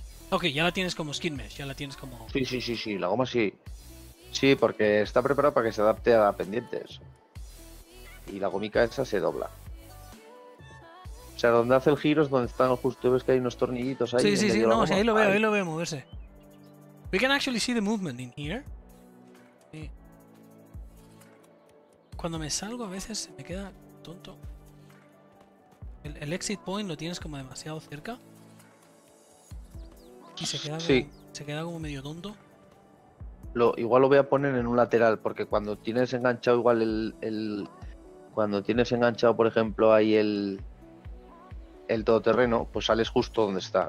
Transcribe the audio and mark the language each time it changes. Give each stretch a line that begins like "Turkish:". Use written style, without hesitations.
Spanish: Ok, ya la tienes como skin mesh, ya la tienes como... Sí, la goma sí. Sí, porque está preparada para que se adapte a pendientes. Y la gomica esa se dobla. O sea, donde hace el giro es donde están justo, ves que hay unos tornillitos ahí. Sí, no, sí, ahí lo veo moverse.
English: We can actually see the movement in here.
Spanish: Sí. Cuando me salgo a veces me queda tonto. El exit point lo tienes como demasiado cerca. Y se queda como medio tonto. Igual lo voy a poner en un lateral, porque cuando tienes enganchado igual el cuando tienes enganchado, por ejemplo, ahí el todoterreno, pues sales justo donde está.